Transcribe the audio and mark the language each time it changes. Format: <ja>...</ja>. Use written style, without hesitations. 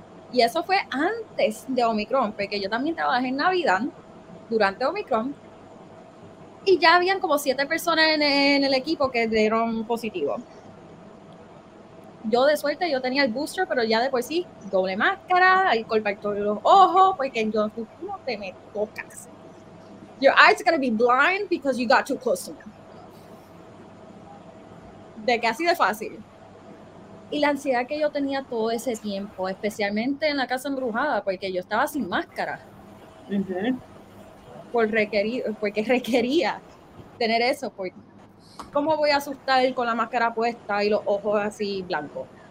<es>Y eso fue antes de Omicron, porque yo también trabajé en Navidad durante Omicron y ya habían como 7 personas en el equipo que dieron positivo. Yo de suerte, yo tenía el booster, pero ya de por sí, doble máscara, alcohol para todos los ojos, porque yo no te me tocas.</es> <en>Your eyes are going to be blind because you got too close to me.</en> <es>De que así de fácil. Y la ansiedad que yo tenía todo ese tiempo, especialmente en la Casa Embrujada, porque yo estaba sin máscara. Porque requería tener eso, porque... ¿Cómo voy a asustar con la máscara puesta y los ojos así blancos?</es>